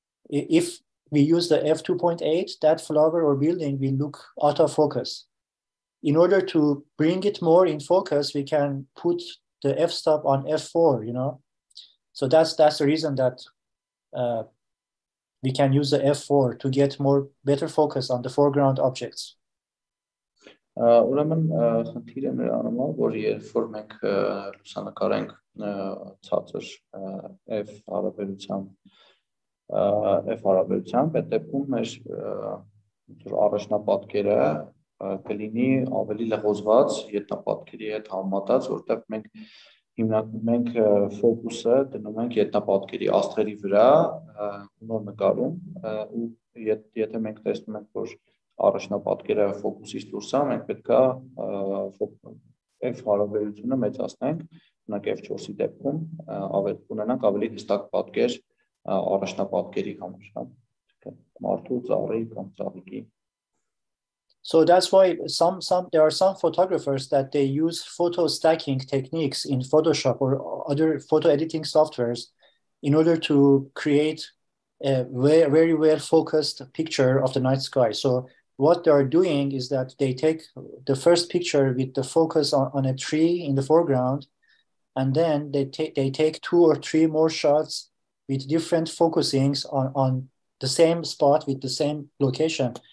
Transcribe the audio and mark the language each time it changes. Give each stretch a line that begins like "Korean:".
English: If we use the F2.8, that flower or building will look out of focus. In order to bring it more in focus, we can put the f-stop on F4, you know? So that's the reason that we can use the F4 to get more better focus on the foreground objects.
Armenian: Ուրեմն խնդիրը նրանում է, որ երբ որ մենք լուսանկարենք ցածր F հարաբերությամբ, այդ դեպքում մեր առաջնապատկերը կլինի ավելի լղոզված ետնապատկերի հետ համատած, որտեղ մենք հիմնականում ֆոկուսը դնում ենք ետնապատկերի աստղերի վրա նոր նկարում, ու եթե մենք տեսնում ենք, որ առաջնապատկերը ֆոկուսից դուրս է, մենք պետք է F հարաբերությունը մեծացնենք, օրինակ F4-ի դեպքում ավելի ունենանք ավելի հստակ պատկեր առաջնապատկերի համար, մարդու ծառի կամ ծաղիկի։
English: So that's why there are some photographers that they use photo stacking techniques in Photoshop or other photo editing softwares in order to create a very well focused picture of the night sky. So what they are doing is that they take the first picture with the focus on a tree in the foreground, and then they take two or three more shots with different focusings on the same spot with the same location.